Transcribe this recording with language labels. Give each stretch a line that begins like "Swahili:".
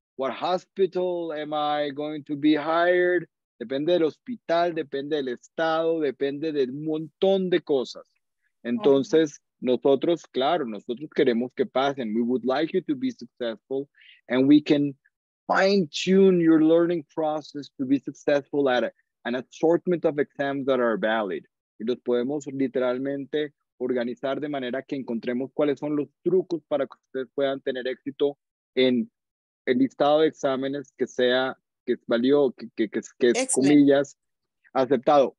English: What hospital am I going to be hired?
Spanish: Depende del hospital, depende del estado, depende de un montón de cosas. Entonces, nosotros queremos que pasen.
English: We would like you to be successful and we can fine tune your learning process to be successful at an assortment of exams that are valid.
Spanish: Y los podemos literalmente organizar de manera que encontremos cuáles son los trucos para que ustedes puedan tener éxito en el listado de exámenes que sea, que valió, que es, comillas, aceptado.